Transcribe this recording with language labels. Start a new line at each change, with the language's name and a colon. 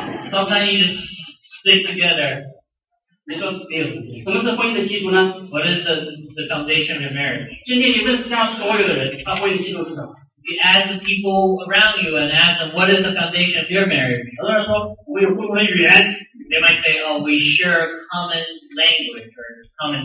English: Sometimes you just stick together.
Chinese: 你说没有？什么是婚姻的基础呢？
English: What is the foundation of your marriage?
Chinese: 今天你问世上所有的人，他婚姻的基础是什么？
English: ask the people around you and ask them, what is the foundation of your marriage? They might say, oh, we share a common language or common